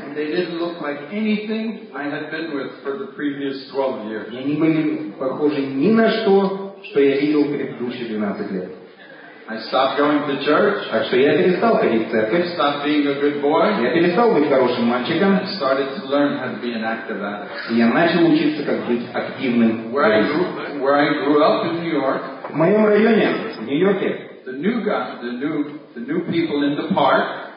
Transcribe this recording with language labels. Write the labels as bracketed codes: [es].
[en] They didn't look like anything I had been with for the previous 12 years. [ru] И они были похожи ни на что, что я видел предыдущие 12 лет. [en] I stopped going to church. [ru] Так что я перестал ходить в церковь. [en] I stopped being a good boy. [ru] Я перестал быть хорошим мальчиком. [en] I started to learn how to be an active addict. [ru] И я начал учиться, как быть активным. [en] Where I grew up in New York. [ru] В моем районе, в Нью-Йорке. [en] The new guys, the new people in the park.